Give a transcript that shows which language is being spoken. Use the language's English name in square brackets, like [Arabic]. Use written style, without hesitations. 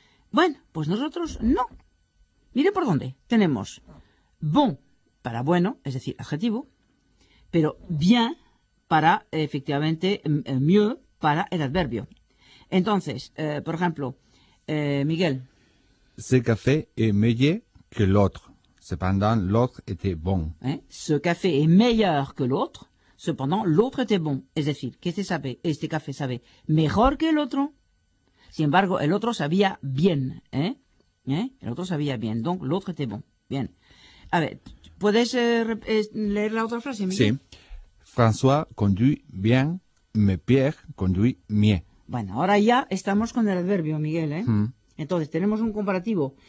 [Spanish] Bueno, pues nosotros no. Mire por dónde. Tenemos bon para bueno, es decir, adjetivo, pero bien para, efectivamente, mieux para el adverbio. Entonces, por ejemplo, Miguel. [French] Ce café est meilleur que l'autre. Cependant, l'autre était bon. ¿Eh? Ce café est meilleur que l'autre. Cependant, l'autre était bon. [Spanish] Es decir, que se sabe, este café sabe mejor que el otro. Sin embargo, el otro sabía bien. ¿Eh? ¿Eh? El otro sabía bien. [French] Donc, l'autre était bon. [Spanish] Bien. A ver, ¿puedes leer la otra frase, Miguel? Sí. [French] François conduit bien, mais Pierre conduit mieux. [Spanish] Bueno, ahora ya estamos con el adverbio, Miguel, ¿eh? Mm. Entonces, tenemos un comparativo.